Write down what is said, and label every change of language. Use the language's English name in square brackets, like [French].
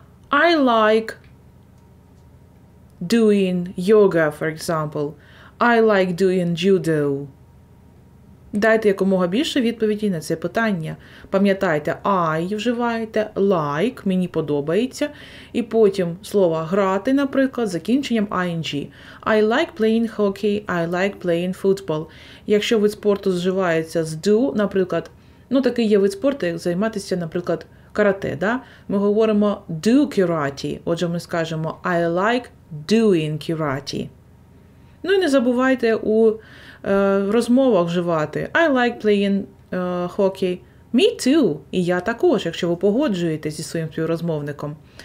[English] I like doing yoga, for example. I like doing judo. [Ukrainian] Дайте якомога більше відповіді на це питання. Пам'ятайте, I вживаєте, like, мені подобається. І потім слово грати, наприклад, закінченням ing. [English] I like playing hockey, I like playing football. [Ukrainian] Якщо вид спорту зживається з do, наприклад, ну такий є вид спорту, як займатися, наприклад, карате, да? Ми говоримо [English] do karate, [Ukrainian] отже ми скажемо [English] I like doing karate. [Ukrainian] Ну і не забувайте у розмовах вживати [English] I like playing hockey. Me too. [Ukrainian] І я також, якщо ви погоджуєтесь зі своїм співрозмовником.